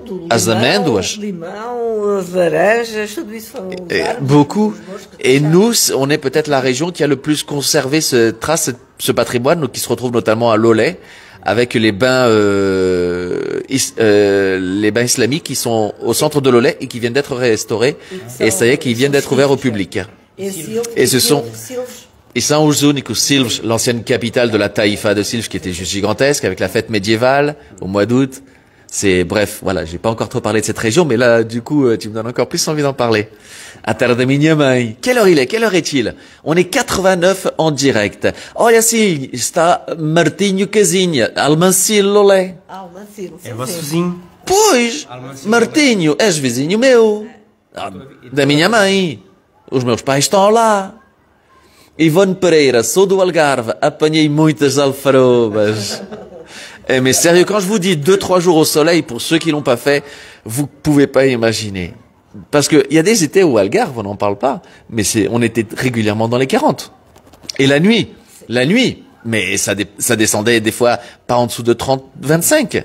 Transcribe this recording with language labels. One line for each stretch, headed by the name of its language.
Portuguese: as amêndoas, limão, laranjas, tudo isso foi
French: et, beaucoup. Et nous, on est peut-être la région qui a le plus conservé ce patrimoine, qui se retrouve notamment à Lolé, avec les bains islamiques qui sont au centre de Lolé et qui viennent d'être restaurés. Et ça y est, qui viennent d'être ouverts au public. Et ce sont Issaouzounik ou Silves, l'ancienne capitale de la Taïfa de Silves, qui était juste gigantesque, avec la fête médiévale au mois d'août. C'est bref, voilà, j'ai pas encore trop parlé de cette région, mais là, du coup, tu me donnes encore plus envie d'en parler. À terre de Minyamay. Quelle heure est-il? On est 89 en direct.
Portuguese: Oh, yassi, está Martinho Casinha, Almancillo, Lolé. Almancillo, é vosso vizinho. Pois, Martinho, és vizinho meu. Da Minyamay. Os meus pais estão lá. Yvonne Pereira, sou do Algarve, apanhei muitas alfarobas.
French: Eh, mais sérieux, quand je vous dis 2-3 jours au soleil, pour ceux qui l'ont pas fait, vous pouvez pas imaginer. Parce que, il y a des étés au Algarve, on n'en parle pas, mais on était régulièrement dans les 40. Et la nuit, mais ça descendait des fois pas en dessous de 30, 25.